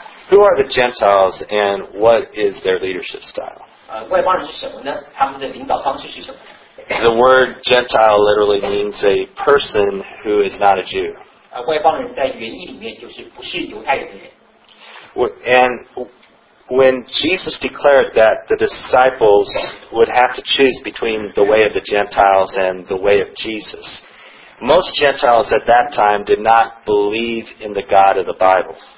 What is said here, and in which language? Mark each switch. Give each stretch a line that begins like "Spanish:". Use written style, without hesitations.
English: who are the Gentiles and what is their leadership style?
Chinese: 外邦人是什么呢?
English: The word Gentile literally means a person who is not a Jew.
Chinese: 外邦人在原意里面就是不是犹太人。
English: And when Jesus declared that the disciples would have to choose between the way of the Gentiles and the way of Jesus, most Gentiles at that time did not believe in the God of the Bible.